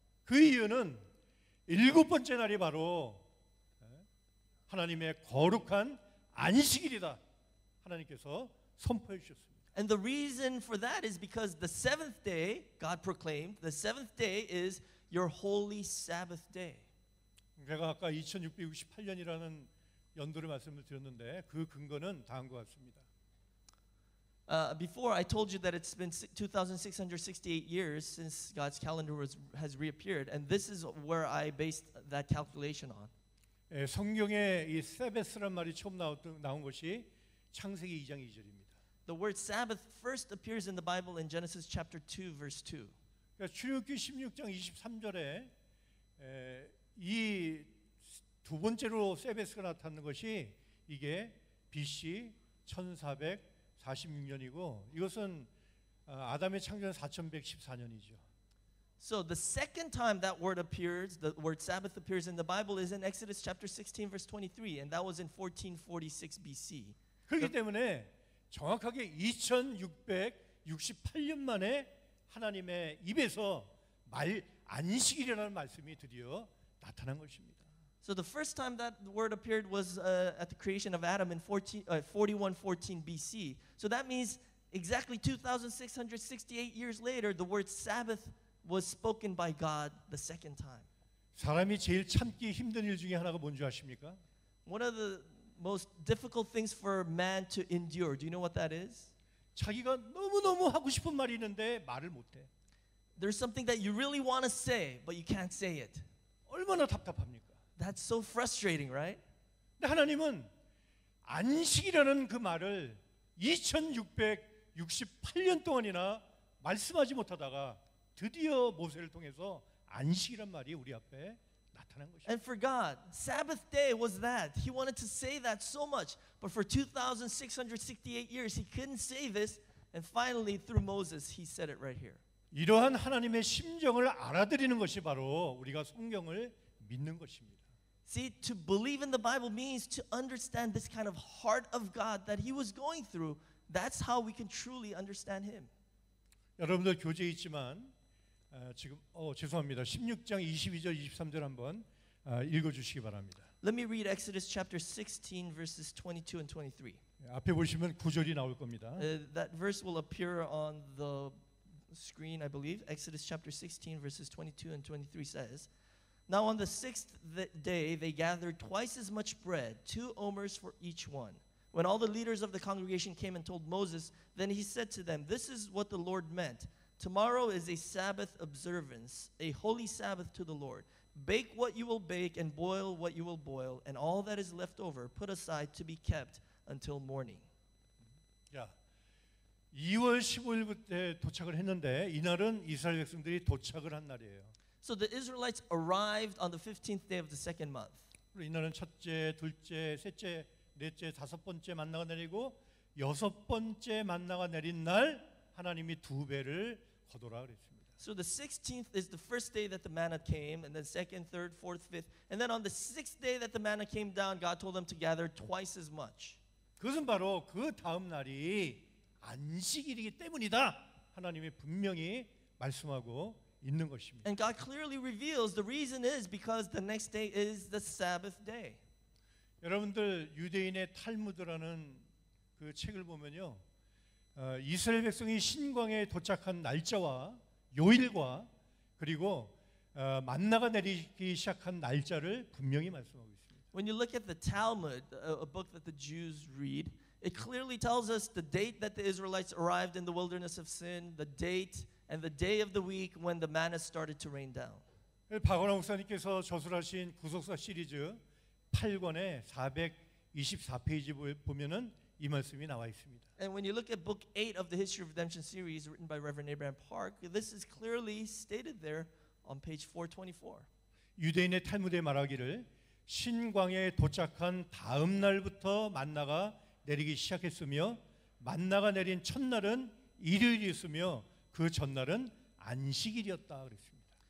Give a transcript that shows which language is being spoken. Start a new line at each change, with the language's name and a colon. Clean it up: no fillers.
Korean: 그 이유는 일곱 번째 날이 바로 하나님의 거룩한 안식일이다. 하나님께서 선포해 주셨습니다.
English: And the reason for that is because the seventh day, God proclaimed, the seventh day is your holy Sabbath day.
Korean: 제가 아까 2668년이라는 연도를 말씀을 드렸는데 그 근거는 다음과 같습니다.
English: Before I told you that it's been 2668 years since God's calendar has reappeared, and this is where I based that calculation on.
Korean: 예, 성경에 이 세베스란 말이 처음 나온 것이 창세기 2장 2절입니다.
English: The word Sabbath first appears in the Bible in Genesis chapter 2 verse 2.
Korean: 그러니까 출애굽기 16장 23절에 이 두 번째로 세베스가 나타나는 것이 이게 BC 1400 46년이고 이것은 아담의 창조는 4114년이죠.
English: So the second time that word appears, the word Sabbath appears in the Bible is in Exodus chapter 16 verse 23 and that was in 1446 BC.
Korean: 그렇기 때문에 정확하게 2668년 만에 하나님의 입에서 말 안식일이라는 말씀이 드디어 나타난 것입니다.
English: So the first time that word appeared was at the creation of Adam in 4114 BC. So that means exactly 2668 years later, the word Sabbath was spoken by God the second time.
Korean: 사람이 제일 참기 힘든 일 중에 하나가 뭔지 아십니까?
English: One of the most difficult things for man to endure. Do you know what that is?
Korean: 자기가 너무너무 하고 싶은 말이 있는데 말을 못해.
English: There's something that you really want to say, but you can't say it.
Korean: 얼마나 답답합니까?
English: That's so frustrating, right?
Korean: 하나님은 안식이라는 그 말을 2668년 동안이나 말씀하지 못하다가 드디어 모세를 통해서 안식이란 말이 우리 앞에 나타난 것이.
English: And for God, Sabbath day was that. He wanted to say that so much, but for 2668 years he couldn't say this and finally through Moses he said it right here.
Korean: 이러한 하나님의 심정을 알아들이는 것이 바로 우리가 성경을 믿는 것입니다.
English: See, to believe in the Bible means to understand this kind of heart of God that he was going through. That's how we can truly understand him.
Korean: 여러분들 교재 있지만 지금 죄송합니다. 16장 22절 23절 한번 읽어 주시기 바랍니다.
English: Let me read Exodus chapter 16 verses 22 and 23.
Korean: 앞에 보시면 구절이 나올 겁니다.
English: That verse will appear on the screen, I believe. Exodus chapter 16 verses 22 and 23 says, Now on the sixth day they gathered twice as much bread, two omers for each one. When all the leaders of the congregation came and told Moses, then he said to them, This is what the Lord meant. Tomorrow is a Sabbath observance, a holy Sabbath to the Lord. Bake what you will bake and boil what you will boil, and all that is left over put aside to be kept until morning. Yeah.
Korean: 2월 15일부터 도착을 했는데 이날은 이스라엘 백성들이 도착을 한 날이에요.
English: So the Israelites arrived on the 15th day of the second month.
Korean: 이날은 첫째, 둘째, 셋째, 넷째, 다섯 번째 만나가 내리고 여섯 번째 만나가 내린 날 하나님이 두 배를 거둬라 그랬습니다.
English: So the 16th is the first day that the manna came, and then second, third, fourth, fifth, and then on the sixth day that the manna came down, God told them to gather twice as much.
Korean: 그것은 바로 그 다음 날이 안식일이기 때문이다. 하나님이 분명히 말씀하고 있는 것입니다.
English: And God clearly reveals the reason is because the next day is the Sabbath day.
Korean: 여러분들 유대인의 탈무드라는 그 책을 보면요. 이스라엘 백성이 신광에 도착한 날짜와 요일과 그리고 만나가 내리기 시작한 날짜를 분명히 말씀하고 있습니다.
English: When you look at the Talmud, a book that the Jews read, it clearly tells us the date that the Israelites arrived in the wilderness of sin, the date and the day of the week when the manna started to rain down.
Korean: 박원호 목사님께서 저술하신 구속사 시리즈 8권의 424페이지 보면은 이 말씀이 나와 있습니다.
English: And when you look at book 8 of the History of Redemption series written by Reverend Abraham Park, this is clearly stated there on page 424.
Korean: 유대인의 탈무드에 말하기를 신광에 도착한 다음 날부터 만나가 내리기 시작했으며 만나가 내린 첫날은 일요일이었으며 그 전날은 안식일이었다 그랬습니다.